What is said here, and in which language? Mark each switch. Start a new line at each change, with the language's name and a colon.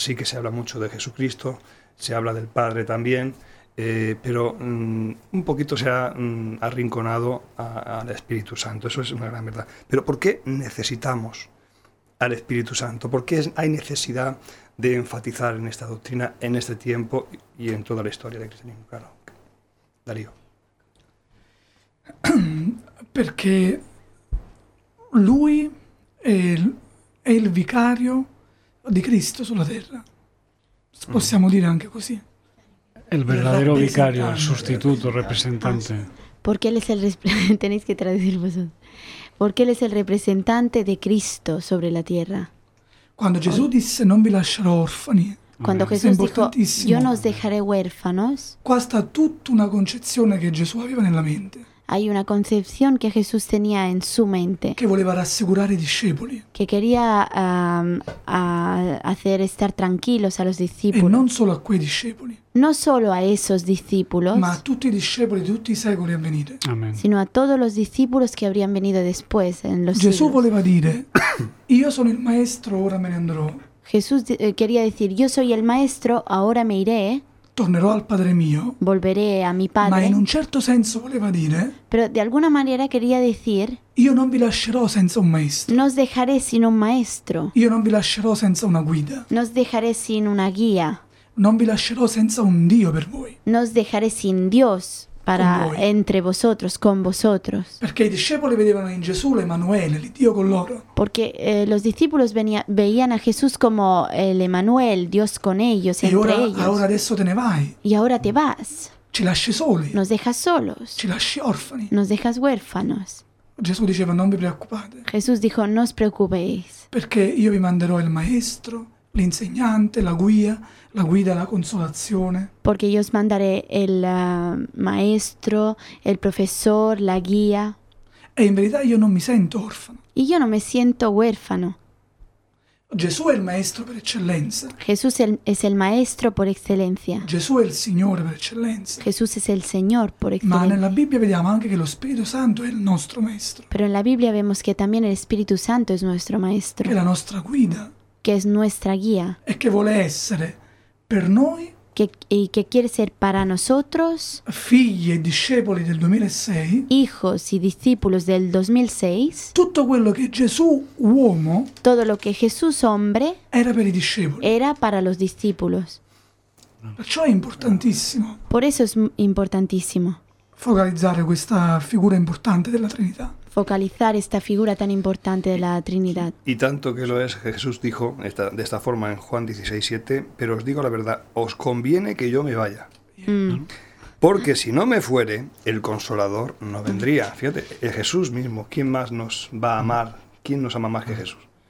Spanish: Sí que se habla mucho de Jesucristo, se habla del Padre también, pero un poquito se ha arrinconado al Espíritu Santo. Eso es una gran verdad. Pero ¿por qué necesitamos al Espíritu Santo? ¿Por qué hay necesidad de enfatizar en esta doctrina en este tiempo y en toda la historia del cristianismo? Claro. Darío.
Italian: Perché lui è il vicario di Cristo sulla terra. Possiamo dire anche così. Il verdadero vicario, il sostituto, il rappresentante.
Spanish: Perché él es el tenéis que traducir vosotros. Perché él es el representante de Cristo sobre la tierra.
Italian: Quando Gesù disse non vi lascerò orfani.
Spanish: Quando Gesù dijo yo no os dejaré huérfanos.
Italian: Qua sta tutta una concezione che Gesù aveva nella mente.
Spanish: Hay una concepción que Jesús tenía en su mente.
Italian: Que voleva rassicurare i discepoli.
Spanish: Que quería hacer estar tranquilos a los discípulos.
Italian: E non solo a quei discepoli.
Spanish: No solo a esos discípulos.
Italian: Ma a tutti i discepoli di tutti i secoli a venire. Amen.
Spanish: Sino a todos los discípulos que habrían venido después en los
Italian: Gesù
Spanish: siglos.
Italian: Voleva dire io sono il maestro, ora me ne andrò.
Spanish: Jesús quería decir yo soy el maestro, ahora me iré.
Italian: Tornerò al padre mio.
Spanish: Volveré a mi padre.
Italian: Ma in un certo senso voleva dire.
Spanish: Pero de alguna manera quería decir.
Italian: Io non vi lascerò senza un maestro.
Spanish: No os dejaré sin un maestro.
Italian: Io non vi lascerò senza una guida.
Spanish: No os dejaré sin una guía.
Italian: Non vi lascerò senza un Dio per voi.
Spanish: No os dejaré sin Dios para entre vosotros, con vosotros.
Italian: Perché i discepoli vedevano in Gesù l'Emanuele, il Dio con loro.
Spanish: Porque los discípulos veían a Jesús como el Emanuel, Dios con ellos, y entre
Italian: ora,
Spanish: ellos.
Italian: E ora adesso te ne vai.
Spanish: Y ahora te vas.
Italian: Ci lasci soli.
Spanish: Nos dejas solos.
Italian: Ci lasci orfani.
Spanish: Nos dejas huérfanos.
Italian: Gesù diceva non vi preoccupate.
Spanish: Jesús dijo no os preocupéis.
Italian: Perché io vi manderò il maestro, l'insegnante, la guida, la consolazione.
Spanish: Porque yo os mandaré el maestro, el profesor, la guía.
Italian: E in verità io non mi sento orfano.
Spanish: Y yo no me siento huérfano.
Italian: Gesù è il maestro per eccellenza.
Spanish: Jesús es el maestro por excelencia.
Italian: Gesù è il Signore per eccellenza.
Spanish: Jesús es el Señor por excelencia.
Italian: Ma nella Bibbia vediamo anche che lo Spirito Santo è il nostro maestro.
Spanish: Pero en la Biblia vemos que también el Espíritu Santo es nuestro maestro.
Italian: Che è la nostra guida.
Spanish: Que es nuestra guía.
Italian: E che vuole essere per noi.
Spanish: Que quiere ser para nosotros.
Italian: Figli e discepoli del 2006.
Spanish: Hijos y discípulos del 2006.
Italian: Tutto quello che Gesù uomo.
Spanish: Todo lo que Jesús hombre.
Italian: Era per i discepoli.
Spanish: Era para los discípulos.
Italian: Perciò è importantissimo.
Spanish: Por eso es importantísimo.
Italian: Focalizzare questa figura importante della Trinità.
Spanish: Focalizar esta figura tan importante de la Trinidad. Y tanto que lo es, Jesús dijo de esta forma en Juan 16:7, pero os digo la verdad, os conviene que yo me vaya. Porque si no me fuere, el Consolador no vendría. Fíjate, es Jesús mismo, ¿quién más nos va a amar? ¿Quién nos ama más que Jesús?